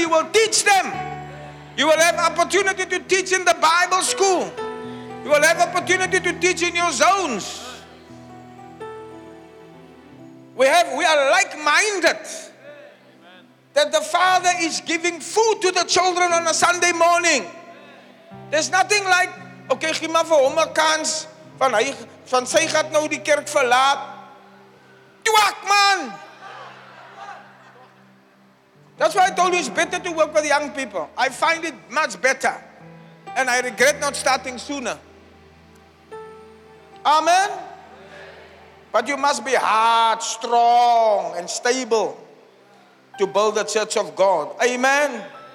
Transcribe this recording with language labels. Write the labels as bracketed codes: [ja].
[en] You will teach them. You will have opportunity to teach in the Bible school. You will have opportunity to teach in your zones. We are like-minded that the Father is giving food to the children on a Sunday morning. There's nothing like, okay, give me for a kans. [af] Van sy gaat nou die kerk verlaat. Twak, man. [en] That's why I told you it's better to work with young people. I find it much better. And I regret not starting sooner. Amen. But you must be hard, strong, and stable to build the church of God. Amen.